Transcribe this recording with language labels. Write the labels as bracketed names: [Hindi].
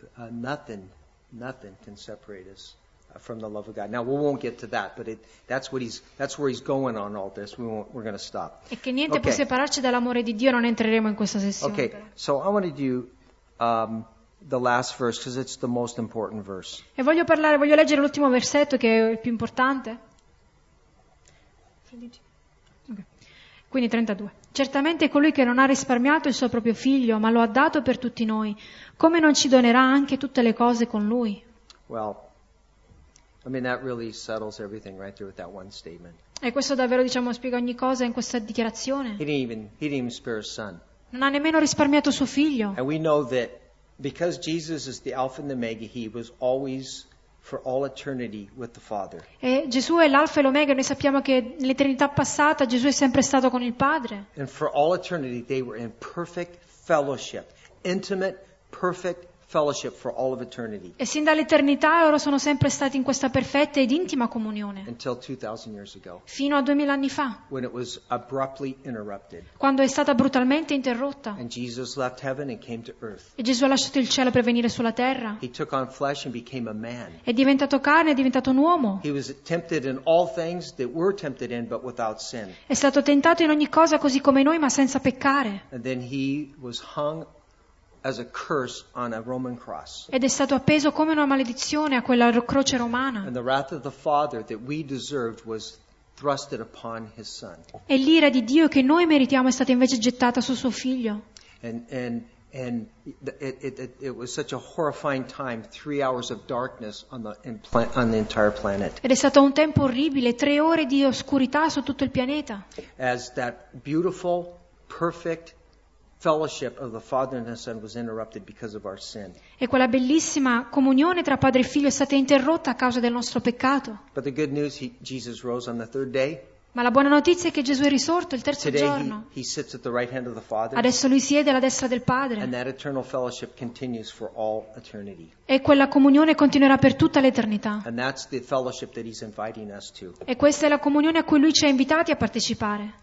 [English] nothing can separate us from the love of God. Now we won't get to that, but that's where he's going on all this. We're going to stop. [Italian] E che niente okay. può separarci dall'amore di Dio, non entreremo in questa sessione. [English] Okay. So I want to do the last verse because it's the most important verse. [Italian] E voglio leggere l'ultimo versetto che è il più importante. Quindi 32. Certamente colui che non ha risparmiato il suo proprio figlio, ma lo ha dato per tutti noi, come non ci donerà anche tutte le cose con lui? [English] Well, I mean that really settles everything right there with that one statement. [Italian] E questo davvero diciamo spiega ogni cosa in questa dichiarazione. [English] He didn't even spare his son. [Italian] Non ha nemmeno risparmiato suo figlio. [English] And we know that because Jesus is the Alpha and the Omega, he was always for all eternity with the Father. [Italian] E Gesù è l'Alfa e l'Omega, noi sappiamo che nell'eternità passata Gesù è sempre stato con il Padre. [English] And for all eternity they were in perfect fellowship, intimate, perfect fellowship for all of eternity. [Italian] E sin dall'eternità loro sono sempre stati in questa perfetta ed intima comunione. [English] Until 2000 years ago. [Italian] Fino a 2000 anni fa. [English] When it was abruptly interrupted. [Italian] Quando è stata brutalmente interrotta. [English] And Jesus left heaven and came to earth. [Italian] E Gesù ha lasciato il cielo per venire sulla terra. [English] He took on flesh and became a man. [Italian] È diventato carne, è diventato un uomo. [English] He was tempted in all things that we're tempted in but without sin. [Italian] È stato tentato in ogni cosa così come noi ma senza peccare. [English] And then he was hung as a curse on a Roman cross. [Italian] Ed è stato appeso come una maledizione a quella croce romana. [English] And the wrath of the Father that we deserved was thrusted upon his son. [Italian] E l'ira di Dio che noi meritiamo è stata invece gettata su suo figlio. [English] And it was such a horrifying time, 3 hours of darkness on the entire planet. [Italian] Ed è stato un tempo orribile, 3 ore di oscurità su tutto il pianeta. [English] As that beautiful, perfect fellowship of the Father and the Son was interrupted because of our sin. [Italian] E quella bellissima comunione tra padre e figlio è stata interrotta a causa del nostro peccato. [English] But the good news, Jesus rose on the third day. [Italian] Ma la buona notizia è che Gesù è risorto il terzo [English] Today [Italian] giorno. [English] He sits at the right hand of the Father. [Italian] Adesso lui siede alla destra del Padre. [English] And that eternal fellowship continues for all eternity. [Italian] E quella comunione continuerà per tutta l'eternità. [English] And that's the fellowship that he's inviting us to. [Italian] E questa è la comunione a cui lui ci ha invitati a partecipare.